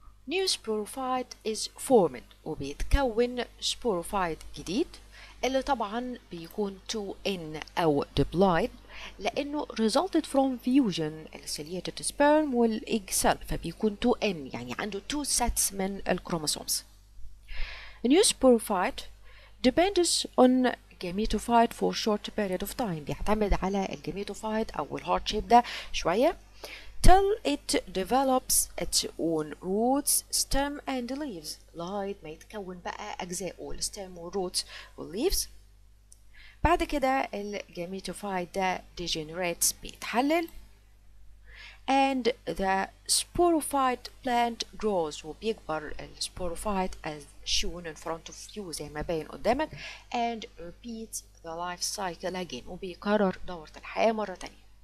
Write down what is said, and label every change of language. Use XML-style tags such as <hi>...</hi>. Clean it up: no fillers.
<en>New sporophyte is formed وبيتكون sporophyte جديد</en> <ar>اللي طبعا بيكون</ar> <en>2N أو diploid لأنه resulted from fusion ciliated sperm والegg cell فبيكون 2N</en> <ar>يعني عنده</ar> <en>2 sets من الكروموسومز New sporophyte depends on gametophyte for short period of time</en> <ar>بيعتمد على</ar> <en>الgametophyte أو الheart shape ده</en> <ar>شوية</ar> <en>Till it develops its own roots, stem and leaves.</en> <ar>لغاية ما يتكون بقى أجزائه الـ stem و roots و leaves. بعد كده الـ gametophyte ده degenerates بيتحلل.</ar> <en>And the sporophyte plant grows</en> <ar>وبيكبر</ar> <en>الـ sporophyte as shown in front of you</en> <ar>زي ما باين قدامك.</ar> <en>And repeats the life cycle again</en> <ar>وبيكرر دورة الحياة مرة تانية.</ar>